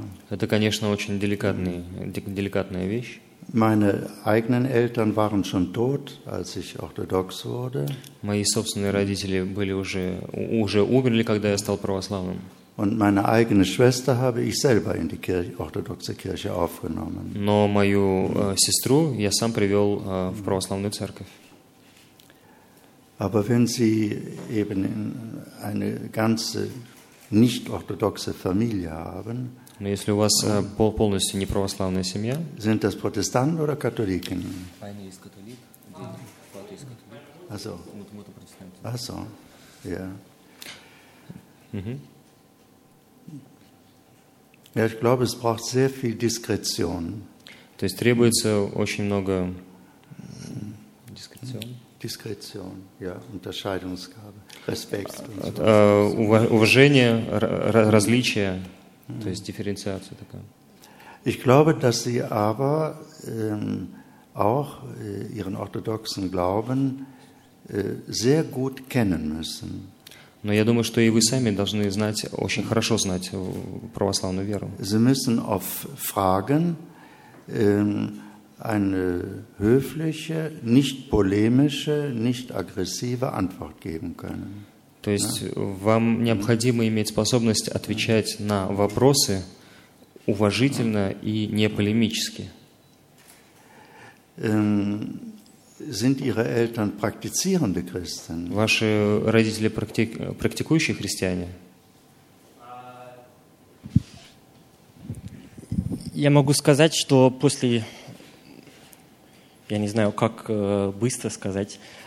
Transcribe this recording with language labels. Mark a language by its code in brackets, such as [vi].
[ru] Это, конечно, очень деликатная вещь. [de] Meine eigenen Eltern waren schon tot, als ich orthodox wurde. [ru] Мои собственные родители были уже умерли, когда я стал православным. [de] Und meine eigene Schwester habe ich selber in die orthodoxe Kirche aufgenommen. [ru] Но мою сестру я сам привел в православную церковь. [de] Aber wenn sie eben eine ganze nicht orthodoxe Familie haben, [ru] но если у вас полностью неправославная семья, [de] sind das Protestanten oder Katholiken? Eine ist Katholik, also Mutter Protestantin. Also, ja. Ja, ich glaube, es braucht sehr viel Diskretion. [ru] То есть требуется очень много Diskretion. [de] Diskretion, ja, Unterscheidungsgabe, Respekt. [ru] Уважение, различие. То есть дифференциация такая. [de] Ich glaube, dass sie aber auch ihren orthodoxen Glauben sehr gut kennen müssen. [ru] Но я думаю, что и вы сами должны знать, очень хорошо знать православную веру. [de] Sie müssen auf Fragen eine höfliche, nicht polemische, nicht aggressive Antwort geben können. [ru] То есть вам необходимо иметь способность отвечать на вопросы уважительно и не полемически. [de] Sind ihre Eltern praktizierende Christen? [ru] Ваши родители практикующие христиане? Я могу сказать, что после... Я не знаю, как быстро сказать...